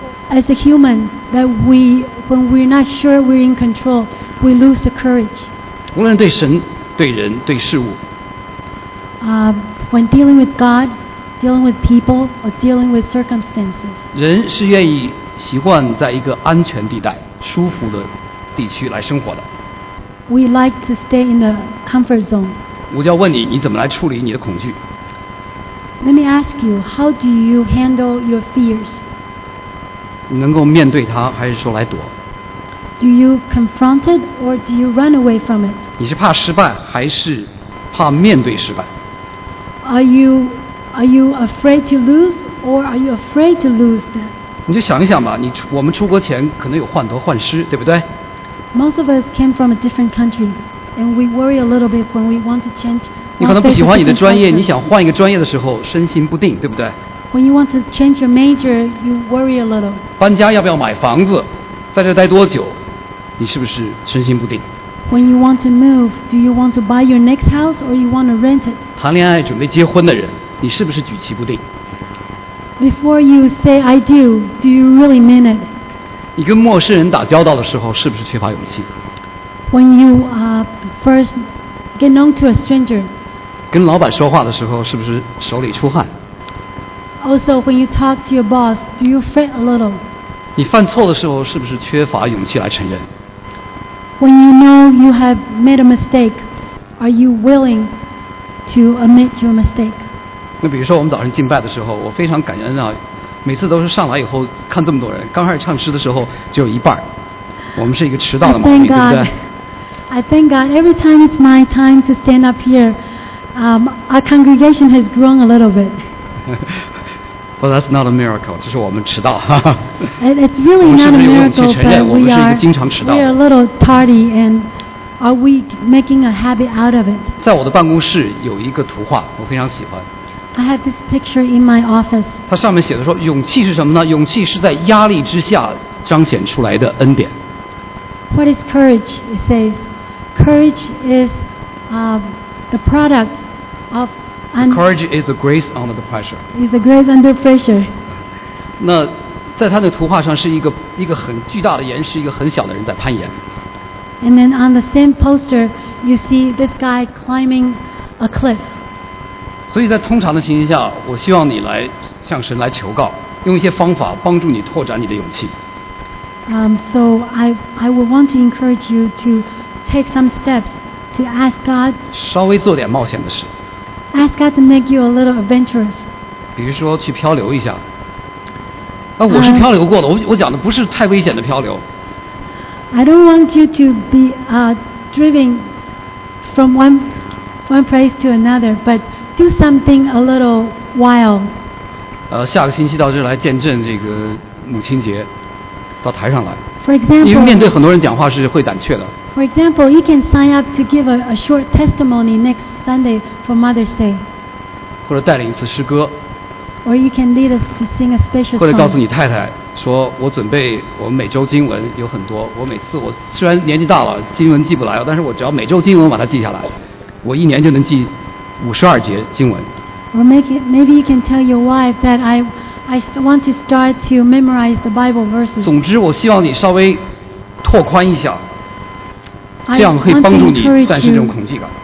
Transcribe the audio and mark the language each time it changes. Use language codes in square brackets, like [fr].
[en] As a human, that we, when we're not sure we're in control, we lose the courage. [zh] 无论对神、对人、对事物。 [en] When dealing with God, dealing with people, or dealing with circumstances. [zh] 人是愿意习惯在一个安全地带、舒服的地区来生活的。 [en] We like to stay in the comfort zone. [zh] 我就要问你，你怎么来处理你的恐惧 [en] ？Let me ask you, how do you handle your fears? [zh] 你能够面对它，还是说来躲 [en] ？Do you confront it or do you run away from it？ [zh] 你是怕失败，还是怕面对失败 [en] ？Are you afraid to lose or are you afraid to lose that？ [zh] 你就想一想吧，我们出国前可能有患得患失，对不对 [en] ？Most of us came from a different country, and we worry a little bit when we want to change. [zh] 你可能不喜欢你的专业，你想换一个专业的时候，身心不定，对不对？ [en] When you want to change your major, you worry a little. [zh] 搬家要不要买房子？在这待多久？你是不是身心不定 [en] ？When you want to move, do you want to buy your next house or you want to rent it? [zh] 谈恋爱准备结婚的人，你是不是举棋不定 [en] ？Before you say I do you really mean it? [zh] 你跟陌生人打交道的时候，是不是缺乏勇气 [en] ？When you first get known to a stranger. [zh] 跟老板说话的时候，是不是手里出汗？ [en] Also, when you talk to your boss, do you fret a little? [zh] 你犯错的时候是不是缺乏勇气来承认 [en] ？When you know you have made a mistake, are you willing to admit your mistake? [zh] 那比如说我们早上敬拜的时候，我非常感恩啊，每次都是上来以后看这么多人，刚开始唱诗的时候只有一半，我们是一个迟到的毛病， [en] God, [zh] 对不对 [en] ？I thank God. Every time it's my time to stand up here, our congregation has grown a little bit. Well, that's not a miracle. [zh] 这是我们迟到。 [en] It's really not a miracle, but we are [zh] 经常迟到。 [en] We are a little tardy, and are we making a habit out of it? [zh] 在我的办公室有一个图画，我非常喜欢。 [en] I have this picture in my office. [zh] 它上面写的说，勇气是什么呢？勇气是在压力之下彰显出来的恩典。 [en] What is courage? It says, courage is the product of. The courage is a grace under the pressure. It's a grace under pressure. [zh] 那在他的图画上是一个很巨大的岩石，一个很小的人在攀岩。 [en] And then on the same poster, you see this guy climbing a cliff. [zh] 所以在通常的情形下，我希望你来向神来求告，用一些方法帮助你拓展你的勇气。 [en] So I would want to encourage you to take some steps to ask God. [zh] 稍微做点冒险的事。 [en] Ask God to make you a little adventurous. [zh] 比如说去漂流一下。啊，我是漂流过的，我讲的不是太危险的漂流。 [en] I don't want you to be driven from one place to another, but do something a little wild. [zh] 下个星期到这来见证这个母亲节，到台上来。 [en] For example, [zh] 因为面对很多人讲话是会胆怯的。 [en] For example, you can sign up to give a short testimony next Sunday for Mother's Day. [zh] 或者带领一次诗歌。 [en] Or you can lead us to sing a special song. [zh] 或者告诉你太太。说我准备我每周经文有很多，我每次我虽然年纪大了经文记不来，但是我只要每周经文把它记下来，我一年就能记52节经文。 [en] Or maybe you can tell your wife that I want to start to memorize the Bible verses. [zh] 总之我希望你稍微拓宽一下，这样可以帮助你战胜这种恐惧感。